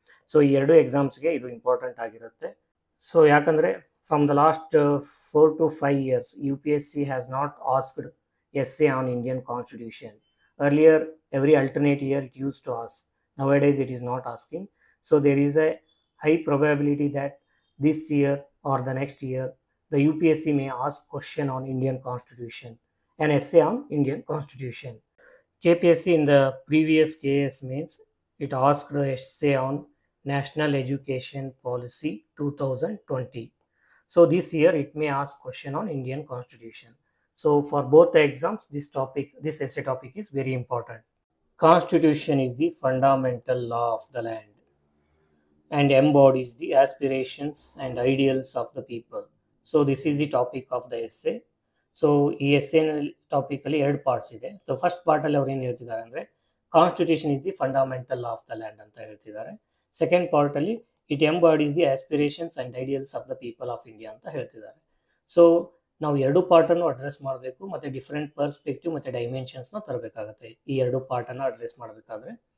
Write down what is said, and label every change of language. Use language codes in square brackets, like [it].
[en] So [kn] ಈ ಎರಡು ಎಕ್ಸಾಮ್ಸ್ಗೆ ಇದು ಇಂಪಾರ್ಟೆಂಟ್ ಆಗಿರುತ್ತೆ. ಸೊ ಯಾಕಂದರೆ [en] From the last 4 to 5 years UPSC has not asked essay on Indian constitution. Earlier every alternate year it use to ask, now days it is not asking. So there is a high probability that this year or the next year the UPSC may ask question on Indian constitution, an essay on Indian constitution. KPSC in the previous KAS mains, it asked an essay on National Education Policy 2020. So this year it may ask question on Indian constitution. So for both the exams, this topic, this essay topic is very important. Constitution is the fundamental law of the land and embodies the aspirations and ideals of the people. So this is the topic of the essay. [kn] So ಈ ಎಸ್ಎನಲ್ಲಿ ಟಾಪಿಕಲ್ಲಿ ಎರಡು parts ಇದೆ. So first ಪಾರ್ಟಲ್ಲಿ ಅವ್ರು ಏನು ಹೇಳ್ತಿದ್ದಾರೆ ಅಂದರೆ [en] constitution is the fundamental of the land [kn] ಅಂತ ಹೇಳ್ತಿದ್ದಾರೆ. Second ಪಾರ್ಟಲ್ಲಿ [en] it embodies the aspirations and ideals of the people of India [kn] ಅಂತ ಹೇಳ್ತಿದ್ದಾರೆ. ಸೊ ನಾವು ಎರಡು ಪಾರ್ಟನ್ನು ಅಡ್ರೆಸ್ ಮಾಡಬೇಕು ಮತ್ತು ಡಿಫ್ರೆಂಟ್ ಪರ್ಸ್ಪೆಕ್ಟಿವ್ ಮತ್ತು ಡೈಮೆನ್ಷನ್ಸ್ನ ತರಬೇಕಾಗತ್ತೆ ಈ ಎರಡು ಪಾರ್ಟನ್ನು ಅಡ್ರೆಸ್ ಮಾಡಬೇಕಾದ್ರೆ.